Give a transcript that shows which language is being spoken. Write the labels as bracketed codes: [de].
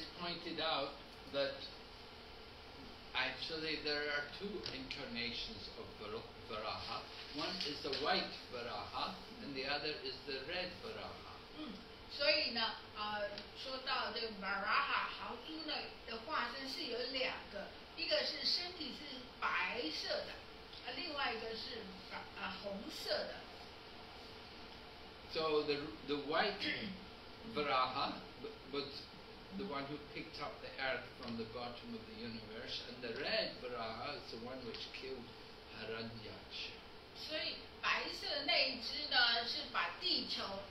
[en] it's pointed out that actually there are two incarnations of Varaha. One is the white Varaha, and the other is the red Varaha. [zh] 所以呢，说到这个Varaha豪猪呢的化身是有两个，一个是身体是白色的，另外一个是红色的。 [en] So the white Varaha was the one who picked up the earth from the bottom of the universe, and the red Varaha is the one which killed Hiranyaksha. [zh] 所以白色那一只呢，是把地球。